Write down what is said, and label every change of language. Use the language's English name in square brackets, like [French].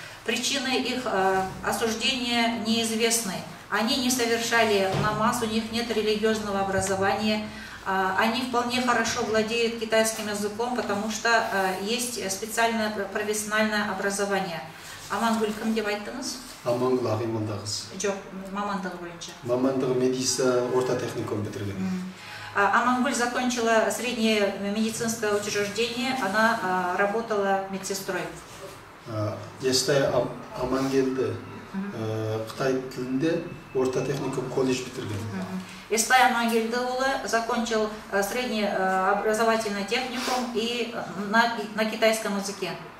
[Russian] Причины их осуждения неизвестны. Они не совершали намаз, у них нет религиозного образования. Они вполне хорошо владеют китайским языком, потому что есть специальное профессиональное образование. [Kazakh] Амангуль, кім деп айттыңыз? Амангуль Ағымолдаұлы. Жоқ, мамандығы бойынша. Мамандығы медицина, орта техникум бітірген. [Russian] Амангуль закончила среднее медицинское учреждение, она работала медсестрой. [Kazakh] Естай Амангельді Қытай тілінде орта техникум колледж бітірген. [Russian] Естай Амангельдіұлы закончил средний образовательный техникум и на китайском языке.